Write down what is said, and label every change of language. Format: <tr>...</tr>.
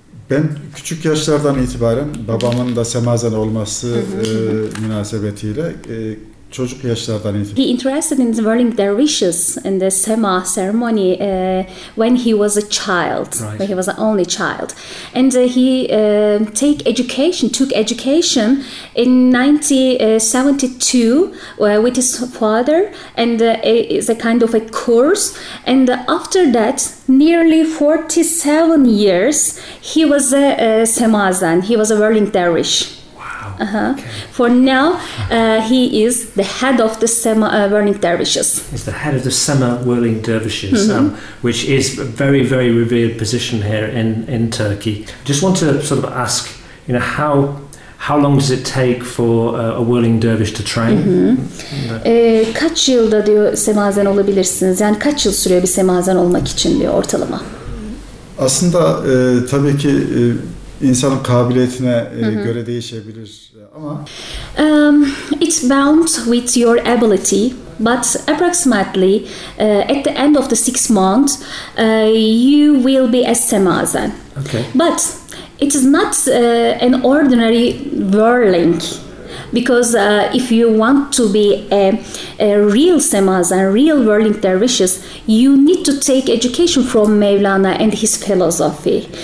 <tr>Ben küçük yaşlardan itibaren babamın da semazen olması münasebetiyle çocuk yaşlardan itibaren.</tr> <en>He interested in the whirling dervishes in the sema ceremony when he was a child, right. When he was an only child. And he took education in 1972 with his father, and it's a kind of a course. And after that, nearly 47 years, he was a semazen, he was a whirling dervish. Okay. For now, he is the head of the Sema Whirling Dervishes. He's the head of the Sema Whirling Dervishes, which is a very, very revered position here in Turkey. Just want to sort of ask, you know, how long does it take for a whirling dervish to train?</en> <tr>Kaç yılda diyor semazen olabilirsiniz? Yani kaç yıl sürüyor bir semazen olmak için diyor ortalama? Aslında tabii ki insanın kabiliyetine göre değişebilir ama</tr> <en>it's bound with your ability, but approximately at the end of the 6 months you will be a semazen. Okay. But it is not an ordinary whirling, because if you want to be a real semazen, real whirling dervishes, you need to take education from Mevlana and his philosophy.</en>